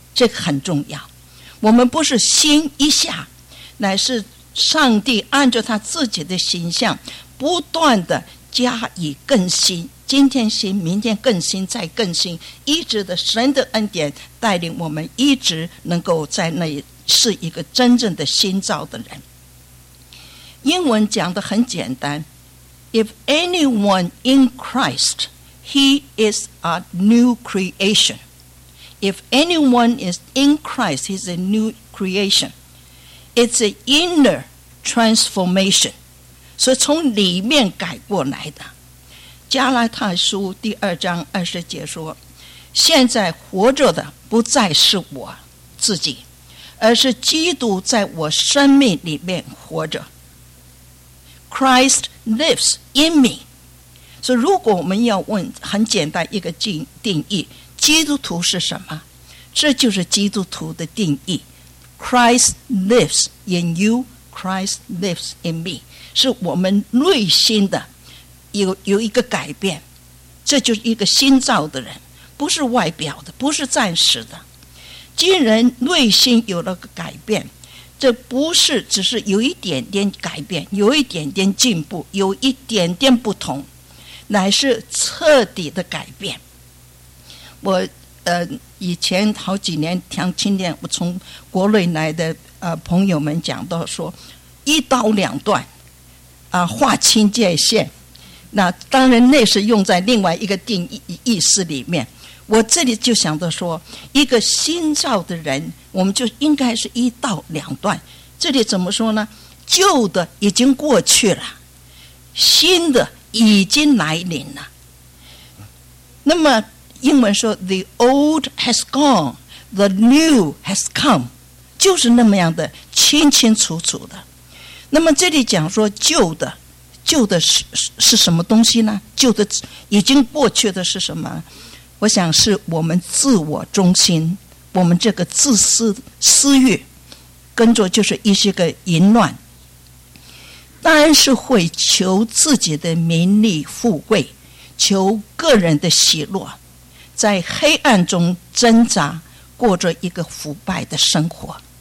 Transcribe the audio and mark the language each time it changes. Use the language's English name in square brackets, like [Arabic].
[Chinese] 这个很重要，我们不是新一下，乃是上帝按照他自己的形象不断地加以更新，今天新，明天更新，再更新，一直的神的恩典带领我们一直能够在那里是一个真正的新造的人。英文讲的很简单， [English] If anyone in Christ, he is a new creation. If anyone is in Christ, he's a new creation. It's an inner transformation. [Chinese] 所以从里面改过来的。加拉太书第二章二十节说，现在活着的不再是我自己，而是基督在我生命里面活着。 [English] Christ lives in me. [Chinese] 所以如果我们要问很简单一个定义，基督徒是什么，这就是基督徒的定义。 [English] Christ lives in you, Christ lives in me. [Chinese] 是我们内心的 有一个改变，这就是一个新造的人，不是外表的，不是暂时的。既然内心有了个改变，这不是只是有一点点改变，有一点点进步，有一点点不同，乃是彻底的改变。我以前好几年听青年，我从国内来的朋友们讲到说，一刀两断啊，划清界限。那当然那是用在另外一个定义意思里面。我这里就想着说，一个新造的人，我们就应该是一到两段。这里怎么说呢？旧的已经过去了，新的已经来临了。那么英文说 [English] The old has gone, the new has come， [Chinese] 就是那么样的清清楚楚的。那么这里讲说旧的 是什么东西呢？旧的已经过去的是什么？我想是我们自我中心，我们这个自私私欲，跟着就是一些个淫乱，当然是会求自己的名利富贵，求个人的喜乐，在黑暗中挣扎，过着一个腐败的生活。